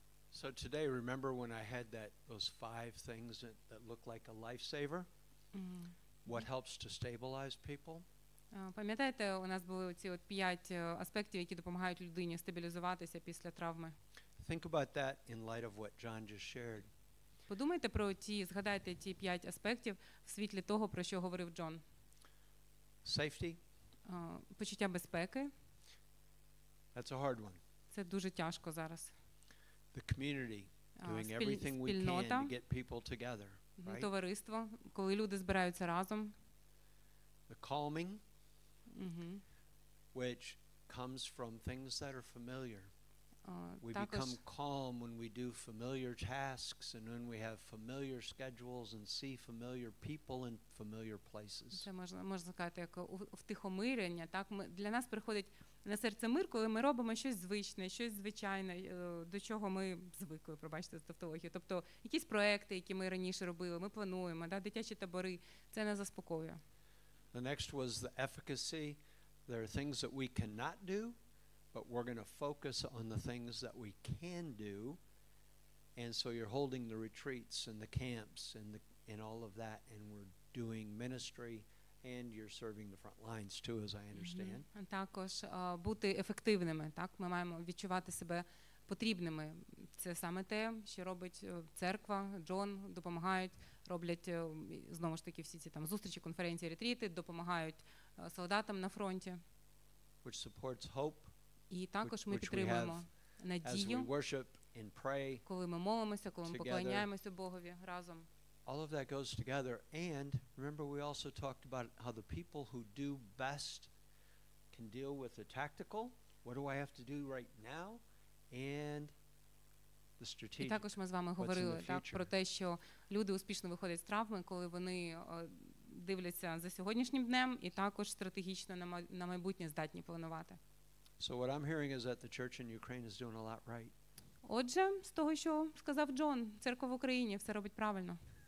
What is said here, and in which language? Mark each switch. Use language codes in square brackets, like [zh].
[en] So today, remember when I had those five things that look like a lifesaver? What helps to stabilize people? [uk] Пам'ятаєте, у нас були ці от п'ять аспектів, які допомагають людині стабілізуватися після травми. [en] Think about that in light of what John just shared. [uk] Подумайте про ті, згадайте ті п'ять аспектів в світлі того, про що говорив Джон. [en] Safety. [uk] Почуття безпеки. [en] That's a hard one. [uk] Це дуже тяжко зараз. [en] The community doing everything we can to get people together, right? [uk] Товариство, коли люди збираються разом. [en] The calming. Which comes from things that are familiar. We become calm when we do familiar tasks and when we have familiar schedules and see familiar people in familiar places. [uk] Це можна сказати, як втихомирення, так, для нас приходить на серце мир, коли ми робимо щось звичне, щось звичайне, до чого ми звикли, пробачте за тавтологію. Тобто якісь проекти, які ми раніше робили, ми плануємо, да, дитячі табори, це не заспокоює. [en] The next was the efficacy. There are things that we cannot do, but we're going to focus on the things that we can do. And so you're holding the retreats and the camps and the and all of that, and we're doing ministry, and you're serving the front lines too, as I understand. [uk] Також бути ефективними, так? Ми маємо відчувати себе потрібними. Це саме те, що робить церква, Джон, допомагають, роблять, знову ж таки, всі ці там зустрічі, конференції, ретріти, допомагають солдатам на фронті. [en] Which supports hope. [uk] І також ми підтримуємо надію, коли ми молимося, коли ми поклоняємося Богові разом. [en] All of that goes together. And remember, we also talked about how the people who do best can deal with the tactical. What do I have to do right now? And the strategic. [uk] І також ми з вами говорили так про те, що люди успішно виходять з травми, коли вони дивляться за сьогоднішнім днем і також стратегічно на майбутнє здатні планувати. [en] So what I'm hearing is that the church in Ukraine is doing a lot right. [uk] Отже, з того, що сказав Джон, церква в Україні все робить правильно.